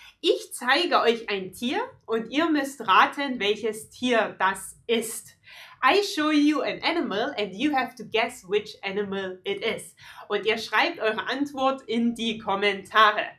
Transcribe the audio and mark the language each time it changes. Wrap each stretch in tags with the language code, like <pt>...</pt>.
<de>Ich zeige euch ein Tier und ihr müsst raten, welches Tier das ist.</de> <en>I show you an animal and you have to guess which animal it is.</en> <de>Und ihr schreibt eure Antwort in die Kommentare.</de>